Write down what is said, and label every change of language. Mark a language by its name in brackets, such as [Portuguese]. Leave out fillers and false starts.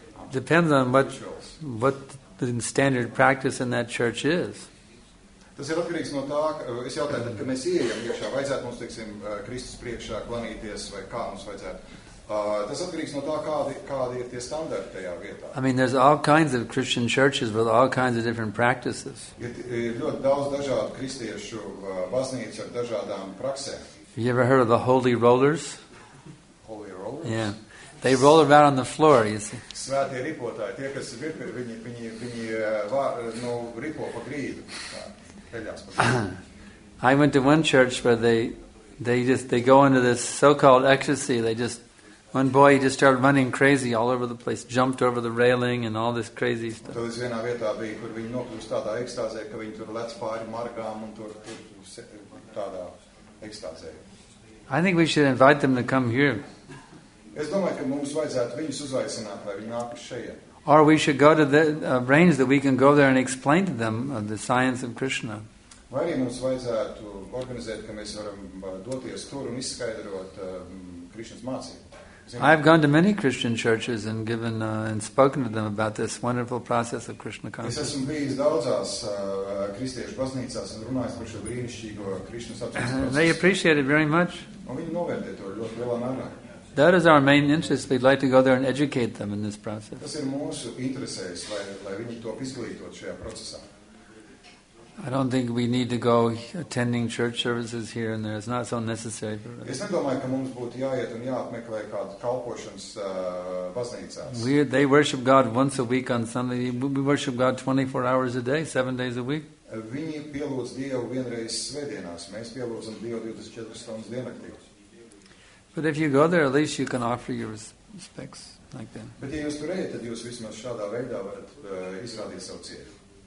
[English] Depends on what the standard practice in that church is. [Latvian] Tas ir atkarīgs no tā, es jautāju, kad mēs ieejam iekšā, vajadzētu mums, teiksim, Kristus priekšā klanīties vai kā mums vajadzētu. Tas atkarīgs no tā, kādi ir tie standarti tajā vietā. [English] I mean, there's all kinds of Christian churches with all kinds of different practices. [Latvian] Ir ļoti daudz dažādu kristiešu baznīcu ar dažādām praksēm. [English] You ever heard of the holy rollers? Holy rollers? Yeah. They roll around on the floor, you see. [Latvian] Svētie ripotāji, tie, kas virpi, viņi nu, ripo pa grīdu. [English] I went to one church where they go into this so-called ecstasy. They just, one boy, he just started running crazy all over the place, jumped over the railing and all this crazy stuff. [Latvian] Tad es vienā vietā biju, kur viņi nokļūst tādā ekstāzē, ka viņi tur lec pāri margām un tur tādā ekstāzē. [English] I think we should invite them to come here. [Latvian] Es domāju, ka mums vajadzētu viņus uzaicināt, lai viņi nāk šeit. [English] Or we should go to the range that we can go there and explain to them the science of Krishna. [Latvian] Vai arī mums vajadzētu organizēt, ka mēs varam doties tur un izskaidrot Krishnas mācību. [English] I've gone to many Christian churches and given and spoken to them about this wonderful process of Krishna consciousness. [Latvian] Es esmu bijis daudzās kristiešu baznīcās un runājis par šo brīnišķīgo Krishna sapratni. [English] They appreciate it very much. [Latvian] Un viņi novērtē to ļoti lielā mērā. [English] That is our main interest. We'd like to go there and educate them in this process. [Latvian] Tas ir mūsu interesēs, lai viņi to izglītot šajā procesā. [English] I don't think we need to go attending church services here and there. It's not so necessary for us. [Latvian] Es nedomāju, ka mums būtu jāiet un jāapmeklē kādu kalpošanas baznīcās. [English] They worship God once a week on Sunday. We worship God 24 hours a day, 7 days a week. [Latvian] Viņi pielūdz Dievu vienreiz svētdienās. Mēs pielūdzam Dievu 24 stundas diennaktī. [English] But if you go there, at least you can offer your respects like that. [Latvian] Bet ja jūs tur ejat, tad jūs vismaz šādā veidā varat izrādīt savu cieņu.